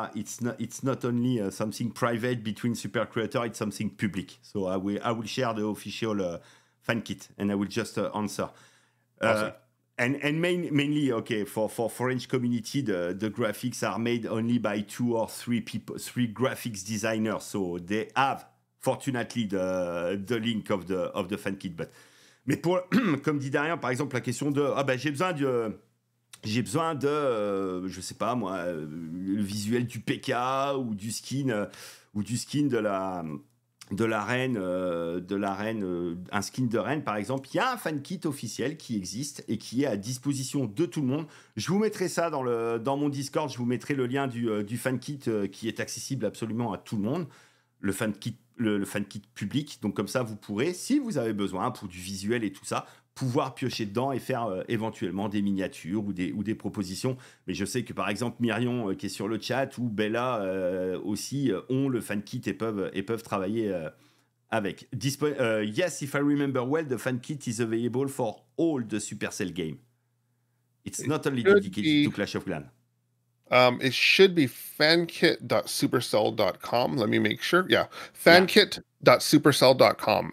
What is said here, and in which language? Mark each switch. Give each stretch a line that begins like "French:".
English: It's not only something private between super creator, it's something public, so I will share the official fan kit, and I will just answer. Awesome. And mainly, okay, for French community, the graphics are made only by two or three people, three graphics designers. So they have, fortunately, the link of the fan kit.
French: Mais pour, comme dit Darian, par exemple, la question de, j'ai besoin de, je sais pas moi, le visuel du PK ou du skin de la reine, un skin de reine, par exemple, il y a un fan kit officiel qui existe et qui est à disposition de tout le monde. Je vous mettrai ça dans mon Discord, je vous mettrai le lien du fan kit qui est accessible absolument à tout le monde, le fan kit public. Donc comme ça, vous pourrez, si vous avez besoin pour du visuel et tout ça, pouvoir piocher dedans et faire éventuellement des miniatures ou des propositions. Mais je sais que, par exemple, Myrion qui est sur le chat ou Bella aussi ont le fan kit et peuvent travailler avec.
English: Yes, if I remember well, the fan kit is available for all the Supercell games. It's not only dedicated to Clash of Clans. It should be fankit.supercell.com. Let me make sure. Yeah. Fankit.supercell.com.